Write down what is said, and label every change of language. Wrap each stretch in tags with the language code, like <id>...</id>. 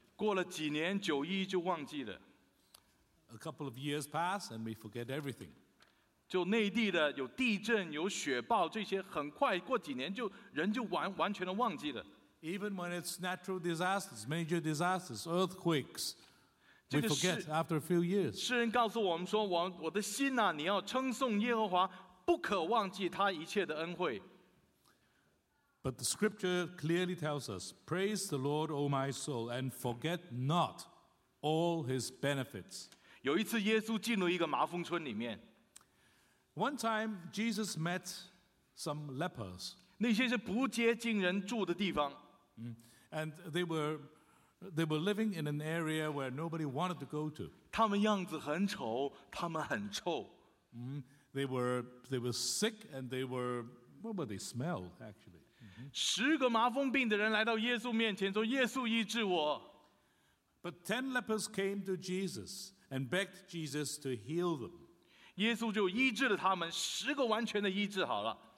<zh>过了几年, 九一就忘记了。</zh> <en>A couple of years pass and we forget everything.</en> <zh>就内地的有地震有雪暴这些很快过几年就人就完全的忘记了。</zh> <en>Even when it's natural disasters, major disasters, earthquakes, we forget after a few years.</en> <zh>诗人告诉我们说，我的心啊， 你要称颂耶和华， 不可忘记他一切的恩惠。</zh> <en>But the scripture clearly tells us, "Praise the Lord, O my soul, and forget not all his benefits."</en> <zh>有一次耶稣进入一个麻风村里面。</zh> <en>One time, Jesus met some lepers.</en> <zh>那些是不接近人住的地方。</zh> <en>And they were living in an area where nobody wanted to go to.</en> <zh>他们样子很丑，他们很臭。</zh> <en>They were sick, and they were, what were they smelled, actually?</en> <zh>十个麻风病的人来到耶稣面前说：“耶稣医治我。”</zh> <en>But 10 lepers came to Jesus and begged Jesus to heal them.</en> <zh>耶稣就医治了他们，十个完全的医治好了。</zh>